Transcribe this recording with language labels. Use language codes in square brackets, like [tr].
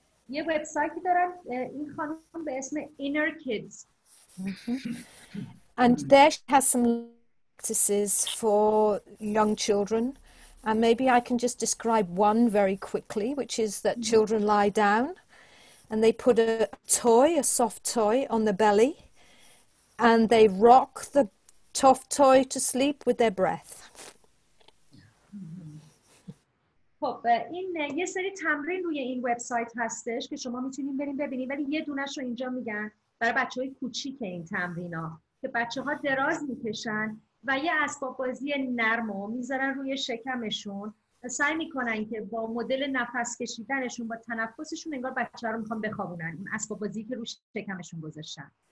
[fa] یه وبسایتی دارن این خانم به اسم Inner Kids. [en] And there she has some practices for young children. And maybe I can just describe one very quickly, which is that children lie down and they put a toy, a soft toy, on the belly, and they rock the soft toy to sleep with their breath. [fa] خب این یه سری تمرین روی این وبسایت هستش که شما میتونید بریم ببینید ولی یه دونه‌ش رو اینجا میگن برای بچه‌های کوچیکه این تمرینا که بچه‌ها دراز میکشن و یه اسباب بازی نرمو میذارن روی شکمشون سعی میکنن که با مدل نفس کشیدنشون با تنفسشون انگار بچه‌ها رو میخوان بخوابونن این اسباب بازی که روی شکمشون گذاشتن